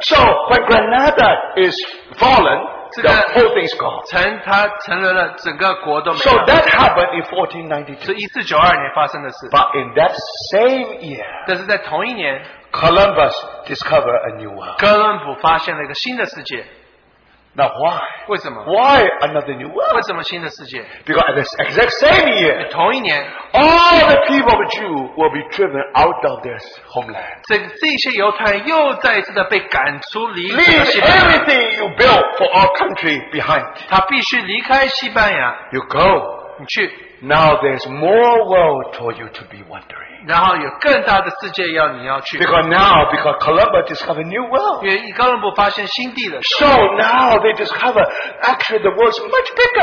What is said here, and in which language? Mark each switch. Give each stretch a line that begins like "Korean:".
English: So when Granada is fallen, the whole thing is gone.
Chinese: 城它沉沦了，整个国都没了。
English: So that happened in 1492.
Chinese: 是1492年发生的事。
English: But in that same year,
Chinese: 但是在同一年,
English: Columbus discovered a new world.
Chinese: 哥伦布发现了一个新的世界。
English: Now why?
Chinese: 为什么?
English: Why another new world?
Chinese: 为什么新的世界?
English: Because at this exact same year,
Chinese: 同一年,
English: all the people of Jew will be driven out of their homeland.
Chinese: 这些犹太人又再次的被赶出离开西班牙。
English: Leave everything you built for our country behind.
Chinese: 他必须离开西班牙。
English: You go.
Chinese: 你去。
English: Now there's more world for you to be wandering.
Chinese: 然后有更大的世界要你要去,
English: because Columbus discovered a new world.
Chinese: 因为哥伦布发现新地了,
English: so now they discover actually the world's much bigger.